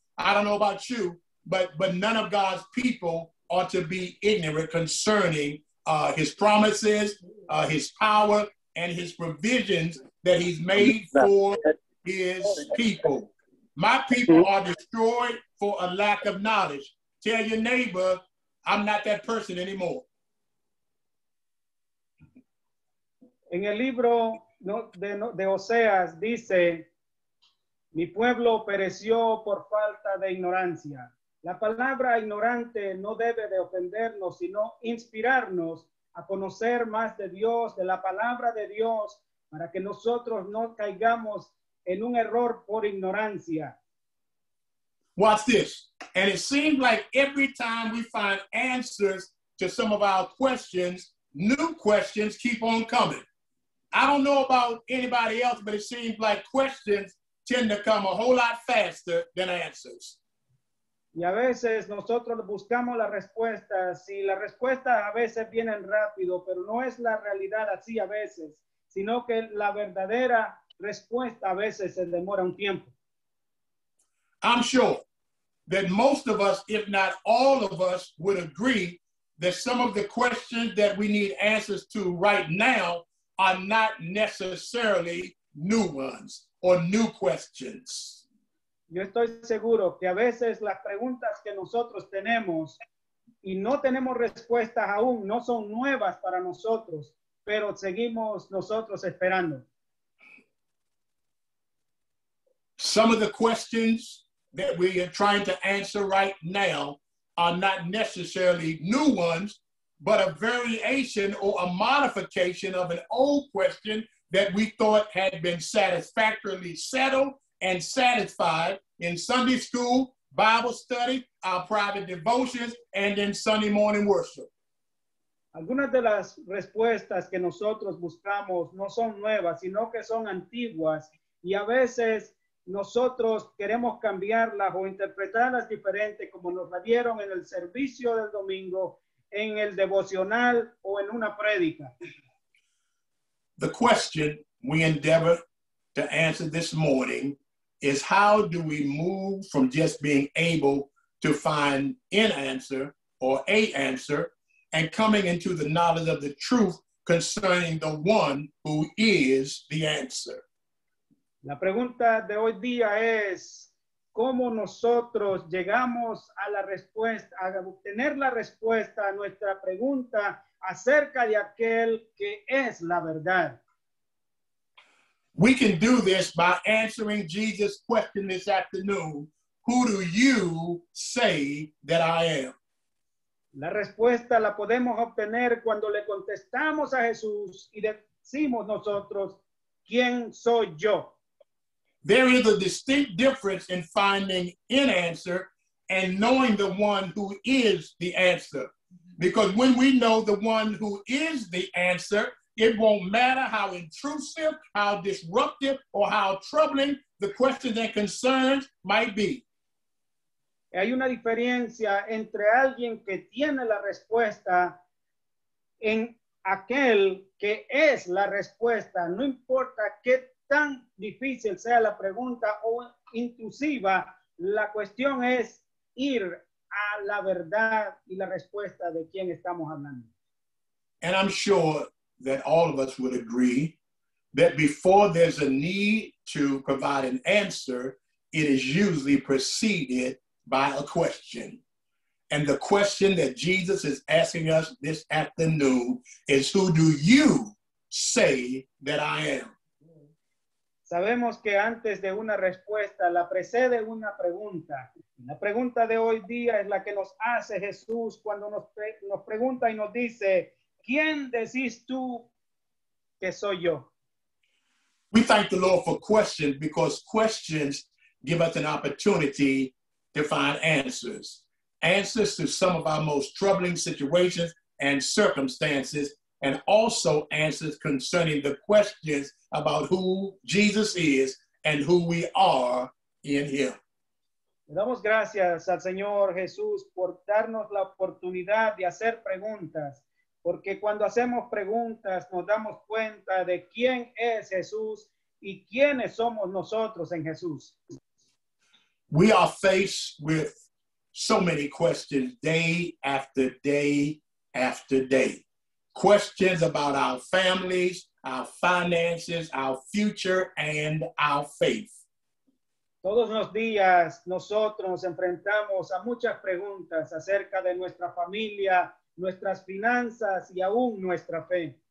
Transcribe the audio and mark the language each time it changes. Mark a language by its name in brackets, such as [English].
[English] I don't know about you, but none of God's people ought to be ignorant concerning his promises, his power, and his provisions that he's made for his people. My people are destroyed for a lack of knowledge. Tell your neighbor, I'm not that person anymore. [Spanish] En el libro de Oseas dice, mi pueblo pereció por falta de ignorancia. La palabra ignorante no debe de ofendernos, sino inspirarnos a conocer más de Dios, de la palabra de Dios, para que nosotros no caigamos en un error por ignorancia. [English] Watch this. And it seems like every time we find answers to some of our questions, new questions keep on coming. I don't know about anybody else, but it seems like questions tend to come a whole lot faster than answers. [Spanish] Y a veces nosotros buscamos las respuestas y la respuesta a veces vienen rápido, pero no es la realidad así a veces, sino que la verdadera respuesta a veces se demora un tiempo. [English] I'm sure that most of us, if not all of us, would agree that some of the questions that we need answers to right now are not necessarily new ones or new questions. [Spanish] Yo estoy seguro que a veces las preguntas que nosotros tenemos y no tenemos respuestas aún no son nuevas para nosotros, pero seguimos nosotros esperando. [English] Some of the questions that we are trying to answer right now are not necessarily new ones, but a variation or a modification of an old question that we thought had been satisfactorily settled and satisfied in Sunday school, Bible study, our private devotions, and in Sunday morning worship. [Spanish] Algunas de las respuestas que nosotros buscamos no son nuevas, sino que son antiguas. Y a veces nosotros queremos cambiarlas o interpretarlas diferente, como nos la dieron en el servicio del domingo, en el devocional o en una prédica. [English] The question we endeavor to answer this morning is, how do we move from just being able to find an answer or a answer and coming into the knowledge of the truth concerning the one who is the answer? [Spanish] La pregunta de hoy día es, ¿cómo nosotros llegamos a la respuesta, a obtener la respuesta a nuestra pregunta acerca de aquel que es la verdad? [English] We can do this by answering Jesus' question this afternoon, who do you say that I am? [Spanish] La respuesta la podemos obtener cuando le contestamos a Jesús y decimos nosotros, ¿quién soy yo? [English] There is a distinct difference in finding an answer and knowing the one who is the answer. Because when we know the one who is the answer, it won't matter how intrusive, how disruptive, or how troubling the questions and concerns might be. [Spanish] Hay una diferencia entre alguien que tiene la respuesta en aquel que es la respuesta. No importa qué tan difícil sea la pregunta o intrusiva, la cuestión es ir a la verdad y la respuesta de quien estamos hablando. [English] And I'm sure that all of us would agree that before there's a need to provide an answer, it is usually preceded by a question. And the question that Jesus is asking us this afternoon is, who do you say that I am? [Spanish] Sabemos que antes de una respuesta la precede una pregunta. La pregunta de hoy día es la que nos hace Jesús cuando nos pregunta y nos dice, ¿quién decís tú que soy yo? [English] We thank the Lord for questions because questions give us an opportunity to find answers. Answers to some of our most troubling situations and circumstances, and also answers concerning the questions about who Jesus is and who we are in him. [Spanish] Le damos gracias al Señor Jesús por darnos la oportunidad de hacer preguntas, porque cuando hacemos preguntas nos damos cuenta de quién es Jesús y quiénes somos nosotros en Jesús. [English] We are faced with so many questions day after day after day. Questions about our families, our finances, our future, and our faith. [Spanish] Todos los días nosotros nos enfrentamos a muchas preguntas acerca de nuestra familia, nuestras finanzas, y aún nuestra fe.